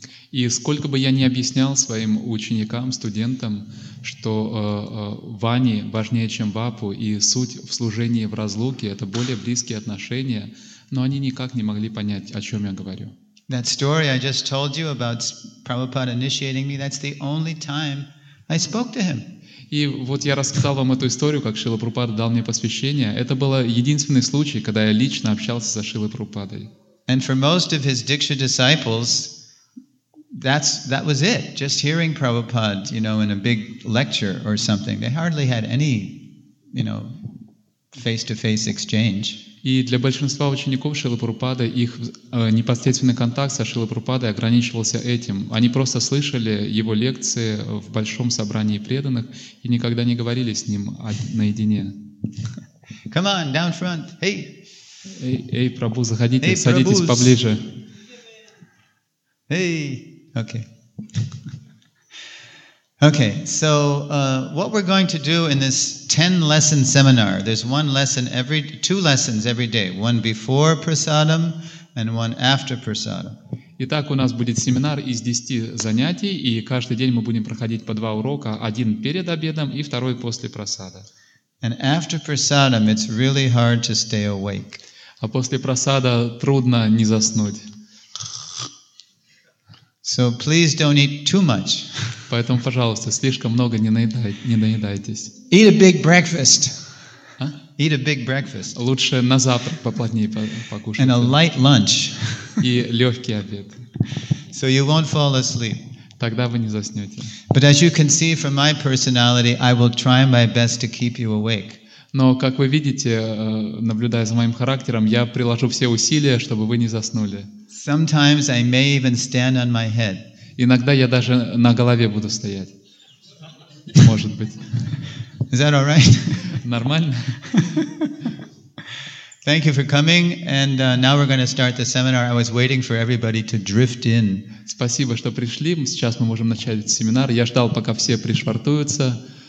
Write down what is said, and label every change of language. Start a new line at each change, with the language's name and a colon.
Russian: И сколько бы я ни объяснял своим ученикам, студентам, что вани важнее, чем вапу, и суть в служении в разлуке — это более близкие отношения, но они никак не могли понять, о чем я говорю.
English: That story I just told you about Prabhupada initiating me, that's the only time I spoke to him.
Russian: И вот я рассказал вам эту историю, как Шрила Прабхупада дал мне посвящение. Это был единственный случай, когда я лично общался со Шрилой Прабхупадой.
English: And for most of his Diksha disciples, that was it. Just hearing Prabhupada, you know, in a big lecture or something. They hardly had any, you know, face-to-face exchange.
Russian: И для большинства учеников Шрилы Прабхупады их непосредственный контакт со Шрилой Прабхупадой ограничивался этим. Они просто слышали его лекции в большом собрании преданных и никогда не говорили с ним наедине.
English: Come on, down front. Hey.
Russian: Эй, Прабху, заходите, hey, садитесь Prabhus. Поближе.
English: Hey. Okay. Okay, so what we're going to do in this 10-lesson seminar, there's two lessons every day, one before prasadam and one after prasadam.
Russian: Итак, у нас будет семинар из 10 занятий, и каждый день мы будем проходить по 2 урока, один перед обедом и второй после прасада.
English: And after prasadam, it's really hard to stay awake.
Russian: А после прасада трудно не заснуть.
English: So please don't eat too much.
Russian: Поэтому, пожалуйста, слишком много не наедайтесь.
English: Eat a big breakfast. А? Eat a big breakfast.
Russian: Лучше на завтрак поплотнее покушать.
English: And a light lunch.
Russian: И легкий обед.
English: So you won't fall asleep.
Russian: Тогда вы не заснете.
English: But as you can see from my personality, I will try my best to keep you awake.
Russian: Но, как вы видите, наблюдая за моим характером, я приложу все усилия, чтобы вы не заснули.
English: Sometimes I may even stand on my head.
Russian: Иногда я даже на голове буду стоять. Может быть.
English: Is that all right?
Russian: Нормально.
English: Thank you for coming, and now we're going to start the seminar. I was waiting for everybody to drift in.
Russian: Спасибо, что пришли. Сейчас мы можем начать семинар. Я ждал, пока все пришвартуются.